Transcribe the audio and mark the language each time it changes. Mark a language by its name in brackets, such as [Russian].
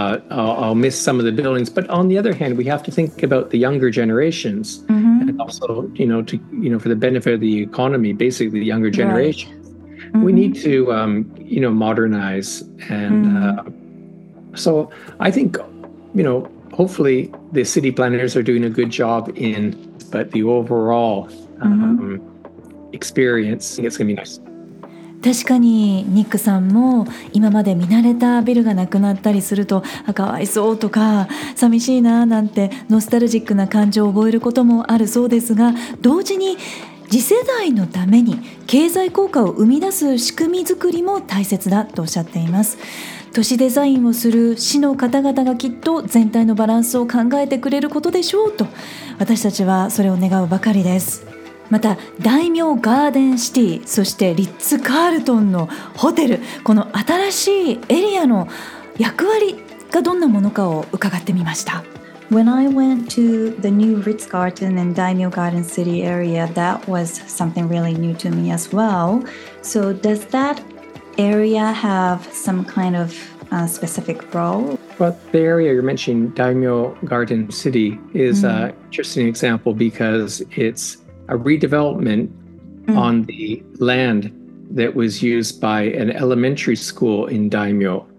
[English] I'll miss some of the buildings. But on the other hand, we have to think about the younger generations, and also, you know, to, you know, for the benefit of the economy, basically the younger generation. We need to, you know, modernize. And so I think, you know, hopefully the city planners are doing a good job in, but the overall experience, I think it's going to be nice. [Japanese] 確かにニックさんも、今まで見慣れたビルがなくなったりすると、あ、かわいそうとか寂しいななんてノスタルジックな感情を覚えることもあるそうですが、同時に次世代のために経済効果を生み出す仕組み作りも大切だとおっしゃっています。都市デザインをする市の方々がきっと全体のバランスを考えてくれることでしょうと、私たちはそれを願うばかりです。また大名ガーデンシティ、そしてリッツカールトンのホテル、この新しいエリアの役割がどんなものかを伺ってみました。 [English] When I went to the new Ritz-Carlton and Daimyo Garden City area, that was something really new to me as well. So does that area have some kind of specific role? Well, the area you're mentioning, Daimyo Garden City, is an interesting example because it's a redevelopment on the land that was used by an elementary school in Daimyo.